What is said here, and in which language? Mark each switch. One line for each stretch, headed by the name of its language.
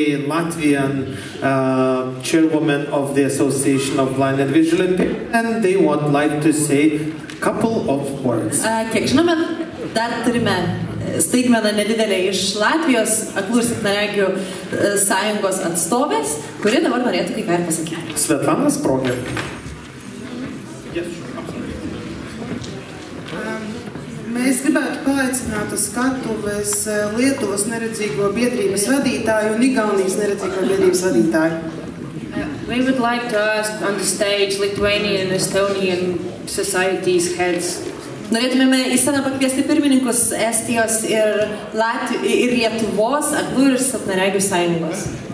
English: Chairwoman of the Association of Blind and Visually Impaired, and they would like to say a couple of words.
Lithuanian: Kiek žinome, dar turime staigmeną nedidelę iš Latvijos aklų ir silpnaregių sąjungos atstovės, kuri dabar norėtų kai ką ir pasakyti. Svetlana Sprogė.
English: Yes, sure.
Latvian: Mes gribētu paaicināt uz skatuves Lietuvas neredzīgo biedrības vadītāju un Igaunijas neredzīgo biedrības vadītāju.
English: We would like to ask on the stage Lithuanian and Estonian societies heads.
Lithuanian: Norėtumėme į sceną pakviesti pirmininkus Estijos ir Lietuvos aklų ir silpnaregių sąjungos.